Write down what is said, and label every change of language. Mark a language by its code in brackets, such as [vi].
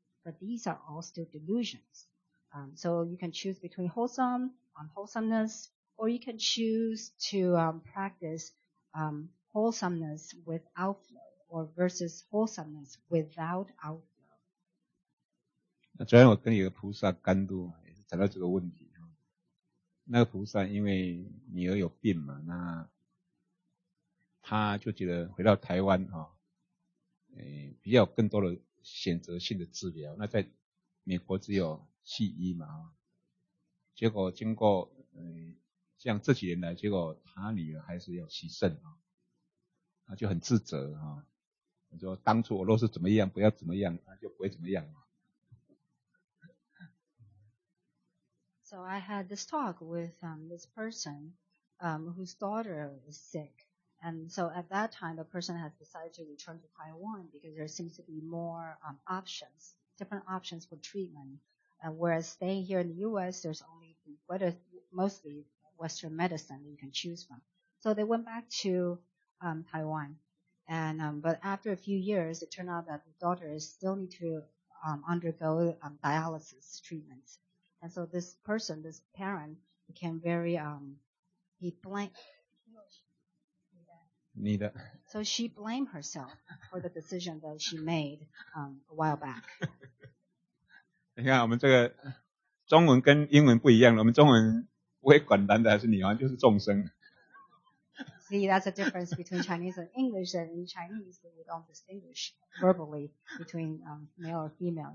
[en] But these are all still delusions. So you can choose between wholesome, unwholesomeness, or you can choose to practice wholesomeness with outflow, or versus wholesomeness without outflow. [zh] 那昨天我跟一个菩萨甘露也是谈到这个问题。那个菩萨因为女儿有病嘛，那他就觉得回到台湾比较有更多的选择性的治疗。那在美国只有西医嘛，结果经过像这几年来，结果他女儿还是有洗肾，他就很自责，他说当初我若是怎么样不要怎么样，他就不会怎么样。 [en] So I had this talk with this person whose daughter is sick. And so at that time, the person has decided to return to Taiwan because there seems to be more options, different options for treatment. Whereas staying here in the U.S., there's only mostly Western medicine that you can choose from. So they went back to Taiwan. And, but after a few years, it turned out that the daughter still need to undergo dialysis treatment. And so this person, this parent, became very, he blamed. Neither. So she blamed herself for the decision that she made a while back. [zh] 你看我们这个中文跟英文不一样了，我们中文不会管男的还是女的，就是众生。 [en] See, that's the difference between Chinese and English. And in Chinese, we don't distinguish verbally between male or female.